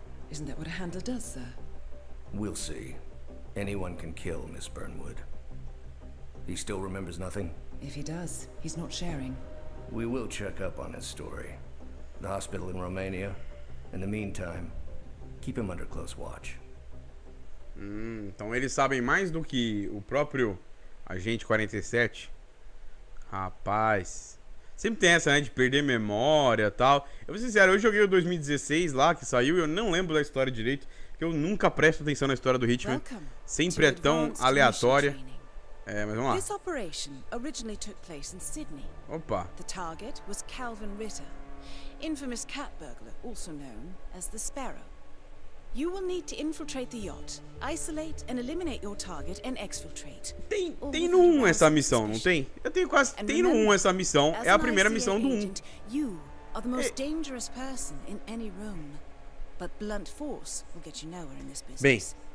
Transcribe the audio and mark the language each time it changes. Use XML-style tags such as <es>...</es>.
<en>Isn't that what a handler does, sir? We'll see. Anyone can kill Miss Burnwood. He still remembers nothing? If he does, he's not sharing. We will check up on his story. The hospital in Romania. In the meantime, keep him under close watch.</en> <pt>Então eles sabem mais do que o próprio agente 47. Rapaz, sempre tem essa, né, de perder memória e tal. Eu vou ser sincero, eu joguei o 2016 lá, que saiu, e eu não lembro da história direito, porque eu nunca presto atenção na história do Hitman. Sempre é tão aleatória. É, mas vamos lá.</pt> <en>This operation originally took place in Sydney.</en> <pt>Opa.</pt> <en>The target was Calvin Ritter, infamous cat burglar, also known as the Sparrow. You will need to infiltrate the yacht, isolate and eliminate your target and exfiltrate.</en> <pt>Tem no 1 essa missão, não tem? Eu tenho quase, tem no 1 essa missão, é a primeira missão do 1.</pt> <en>You are the most dangerous person in any room, but blunt force will get you nowhere in this business.</en>